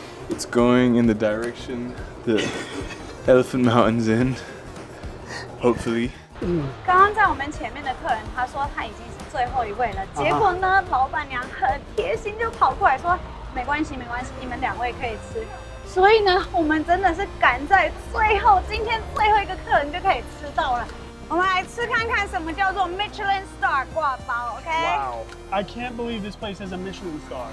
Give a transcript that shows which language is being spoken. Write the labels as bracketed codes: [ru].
[en] It's going in the direction that Elephant Mountain's in. Hopefully. [zh] 刚刚在我们前面的客人他说他已经是最后一位了，结果呢，老板娘很贴心就跑过来说没关系没关系，你们两位可以吃。所以呢，我们真的是赶在最后今天最后一个客人就可以吃到了。我们来吃看看什么叫做 Michelin star 挂包，OK？ [en] Wow, I can't believe this place has a Michelin star.